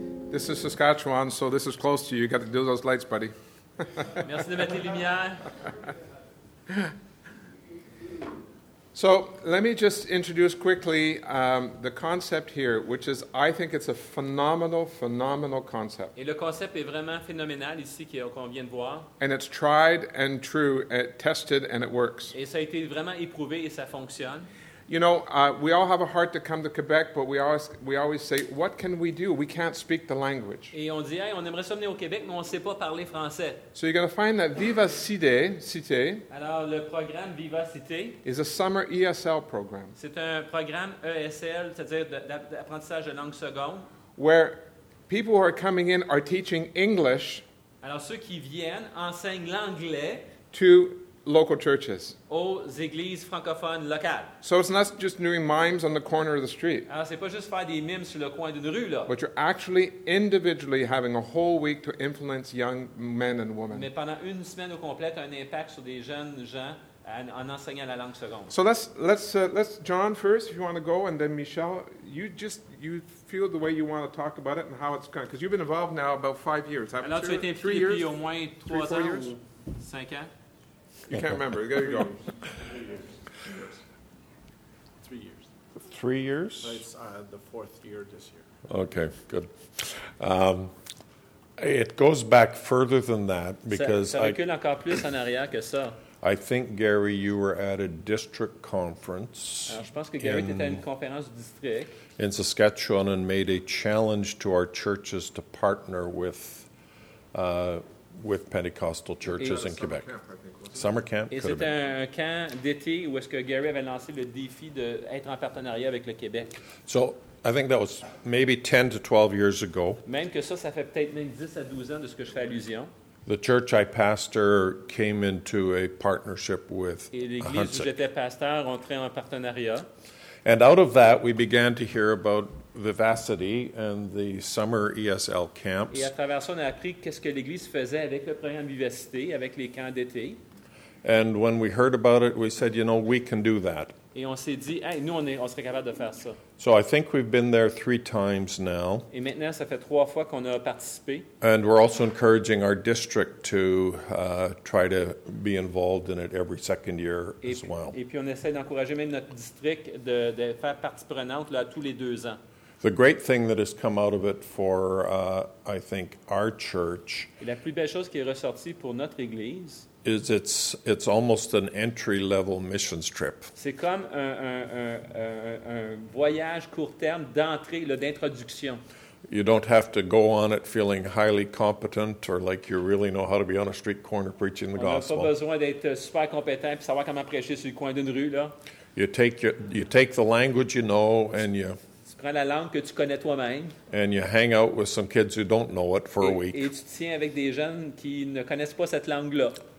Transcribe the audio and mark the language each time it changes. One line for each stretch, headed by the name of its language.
English: This is Saskatchewan, so this is close to you. You got to do those lights, buddy.
French: Merci de mettre les lumières.
English: So let me just introduce quickly the concept here, which is, I think it's a phenomenal, phenomenal concept.
French: Et le concept est vraiment phénoménal ici qu'on vient de voir.
English: And it's tried and true, and tested, and it works.
French: Et ça a été vraiment éprouvé et ça fonctionne.
English: You know, we all have a heart to come to Quebec, but we always say, what can we do? We can't speak the language.
French: Et on dit, hey, on aimerait se venir au Québec, mais on ne sait pas parler français.
English: So you're going to find that Viva Cité.
French: Alors le programme Viva Cité
English: is a summer ESL program.
French: C'est un programme ESL, c'est-à-dire d'apprentissage de langue seconde.
English: Where people who are coming in are teaching English.
French: Alors ceux qui viennent enseignent l'anglais.
English: To local churches.
French: Aux églises francophones locales.
English: So it's not just doing mimes on the corner of the street.
French: Alors, c'est pas juste faire des mimes sur le coin d'une rue, là.
English: But you're actually individually having a whole week to influence young men and women.
French: Mais pendant une semaine au complet, un impact sur des jeunes gens en enseignant la langue seconde.
English: So let's John first, if you want to go, and then Michel, you feel the way you want to talk about it and how it's going, because you've been involved now about 5 years.
French: Alors, tu as été impliqué depuis au moins 3 ans, 5 ans.
English: You can't remember. There you go. 3 years. 3 years? It's the fourth year this year. Okay, good. It goes back further than that because I think, Gary, you were at a district conference.
French: Alors, je pense que Gary était à une conférence du district.
English: In Saskatchewan and made a challenge to our churches to partner with Pentecostal churches in Quebec. Summer camp.
French: Et c'était un camp d'été où est-ce que Gary avait lancé le défi d'être en partenariat avec le Québec.
English: So, I think that was maybe 10 to 12 years ago.
French: Même que ça fait peut-être même 10 à 12 ans de ce que je fais allusion.
English: The church I pastor came into a partnership with.
French: Et l'église où j'étais pasteur entrait en partenariat.
English: And out of that, we began to hear about Vivacity and the summer ESL camps.
French: Et à travers ça, on a appris qu'est-ce que l'église faisait avec le programme Vivacité, avec les camps d'été.
English: And when we heard about it, we said, you know, we can do that.
French: Et on s'est dit, hey, nous, on serait capable de faire ça.
English: So I think we've been there 3 times now.
French: Et maintenant, ça fait 3 fois qu'on a participé.
English: And we're also encouraging our district to try to be involved in it every second year
French: et
English: as well.
French: Et puis on essaie d'encourager même notre district de faire partie prenante là, tous les 2 ans.
English: The great thing that has come out of it for, I think, our church.
French: Et la plus belle chose qui est ressortie pour notre église.
English: Is it's almost an entry level missions trip.
French: C'est comme un voyage court terme d'entrée, là, d'introduction.
English: You don't have to go on it feeling highly competent or like you really know how to be on a street corner preaching the gospel.
French: On n'a pas besoin d'être super compétent puis savoir comment prêcher sur le coin d'une rue, là.
English: You take the language you know and you.
French: Prends la langue que tu connais toi-même.
English: And you hang out with some kids who don't know it for a week.
French: Et tu tiens avec des jeunes qui ne connaissent pas cette langue-là.